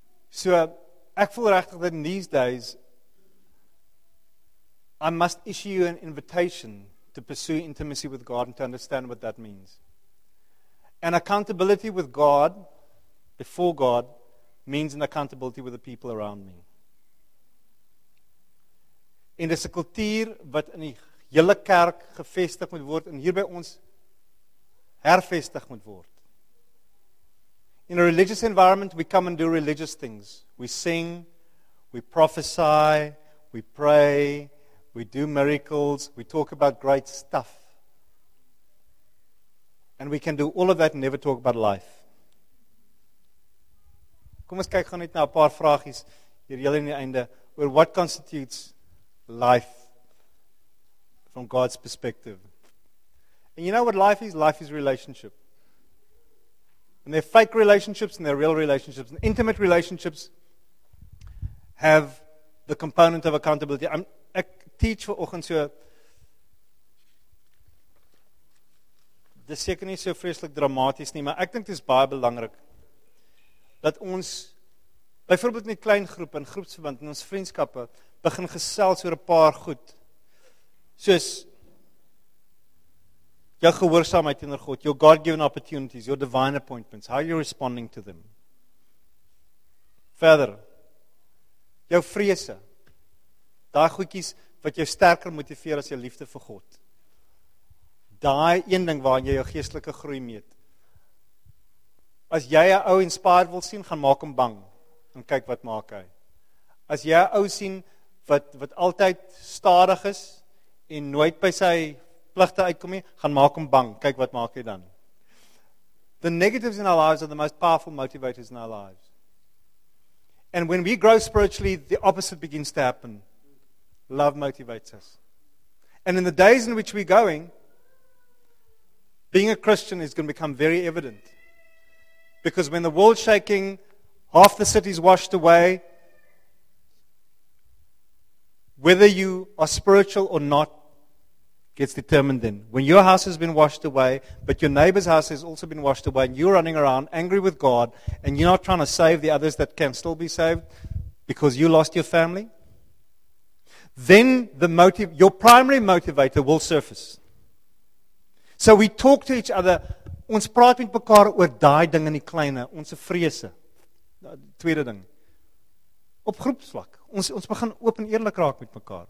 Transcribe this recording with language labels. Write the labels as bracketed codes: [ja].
[en] So, [af] ek voel regtig dat [en] in these days, I must issue you an invitation to pursue intimacy with God and to understand what that means. An accountability with God, before God, means an accountability with the people around me. [af] En dis 'n kultuur wat in die hele kerk gevestig moet word en hier by ons hervestig moet word. [en] In a religious environment, we come and do religious things. We sing, we prophesy, we pray, we do miracles, we talk about great stuff. And we can do all of that and never talk about life. [af] Kom ons kyk gaan net na 'n paar vragies hier heel in die einde, oor [en] what constitutes life from God's perspective. And you know what life is? Life is relationship. And there are fake relationships and there are real relationships. And intimate relationships have the component of accountability. [af] Ek teach vir oggend so, dis seker nie so vreselik dramaties nie, maar ek dink dis baie belangrik dat ons byvoorbeeld in die klein groep en groepsverband in ons vriendskappe begin gesels oor 'n paar goed. Soos jou gehoorsaamheid teenoor God, [en] your God-given opportunities, your divine appointments, how you're responding to them. [af] Verder, jou vrese, daai goedjies wat jou sterker motiveer as jou liefde vir God. Daai een ding waarin jy jou geestelike groei meet. As jy 'n ou inspired wil sien, gaan maak hom bang en kyk wat maak hy. As jy 'n ou sien wat altyd stadig is en nooit by sy pligte uitkom nie, gaan maak hom bang, kyk wat maak hy dan. [en] The negatives in our lives are the most powerful motivators in our lives. And when we grow spiritually, the opposite begins to happen. Love motivates us. And in the days in which we're going, being a Christian is going to become very evident. Because when the world's shaking, half the city's washed away, whether you are spiritual or not gets determined then. When your house has been washed away, but your neighbor's house has also been washed away, and you're running around angry with God, and you're not trying to save the others that can still be saved because you lost your family, then your primary motivator will surface. So we talk to each other. [af] Ons praat met mekaar oor daai ding in die kleine, ons vrese. Tweede ding. Op groepsvlak. Ons begin oop en eerlik raak met mekaar.